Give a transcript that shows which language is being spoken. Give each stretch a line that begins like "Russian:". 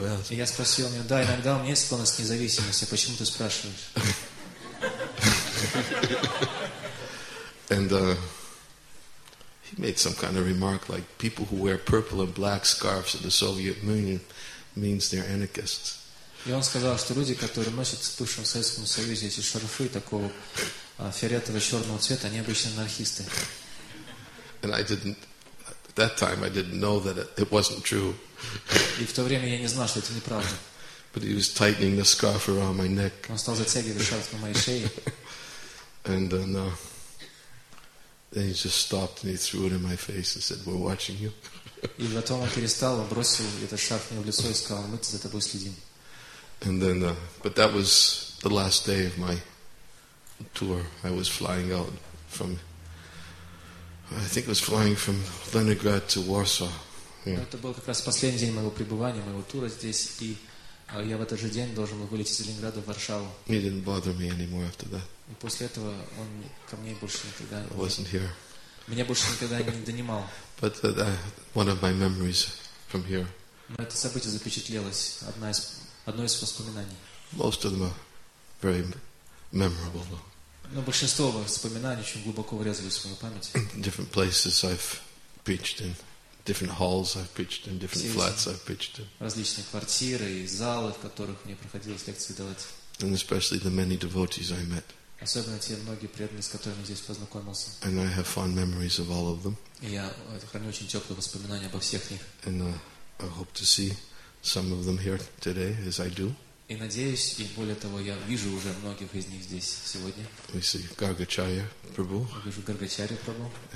Russian: Я спросил меня, да, иногда у меня есть склонность к независимости. Почему ты спрашиваешь?
English: And he made some kind of remark like, people who wear purple and black scarves in the Soviet Union means they're anarchists.
Russian: И он сказал, что люди, которые носят в бывшем Советском Союзе эти шарфы такого фиолетового черного цвета, они обычно анархисты.
English: And I didn't, at that time, I didn't know that it wasn't true.
Russian: И в то время я не знал, что это неправда.
English: But he was tightening the scarf around my neck.
Russian: Он стал затягивать шарф на моей шее.
English: And then he just stopped and he threw it in my face and said, "We're watching you."
Russian: И потом он перестал, он бросил этот шарф мне в лицо и сказал, мы за тобой следим.
English: And then, but that was the last day of my tour. I was flying out from, I think it was flying from Leningrad to Warsaw.
Russian: Это был как раз последний день моего пребывания, моего тура здесь, и я в этот же день должен был вылететь из Ленинграда в Варшаву.
English: He didn't bother me anymore after that.
Russian: И после этого он ко мне больше никогда.
English: I wasn't here.
Russian: Меня больше никогда не донимал.
English: But one of my memories from here.
Russian: Но это событие запечатлелось, одно из воспоминаний.
English: Most of them are very memorable.
Russian: Но большинство воспоминаний очень глубоко врезались в мою память.
English: Different places I've preached in. Different halls I've preached in, different flats I've preached in.
Russian: Различные квартиры и залы, в которых мне приходилось лекции давать.
English: And especially the many devotees I met.
Russian: Особенно те многие преданные, с которыми я здесь познакомился.
English: And I have fond memories of all of them.
Russian: И я храню очень теплые воспоминания обо всех них.
English: And I hope to see some of them here today, as I do.
Russian: И надеюсь, и более того, я вижу уже многих из них здесь сегодня.
English: We see Gargacharya Prabhu.
Russian: Я вижу Гаргачарья Прабху.